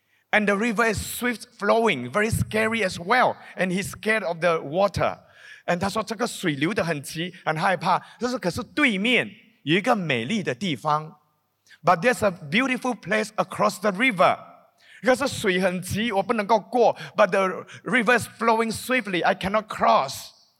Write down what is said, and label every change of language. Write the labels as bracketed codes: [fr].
[en] And the river is swift flowing, very scary as well. And he's scared of the water. [zh] And 他说这个水流得很急，很害怕。这是可是对面有一个美丽的地方。 [en] But there's a beautiful place across the river. [zh] 可是水很急，我不能够过。 [en] But the river is flowing swiftly, I cannot cross.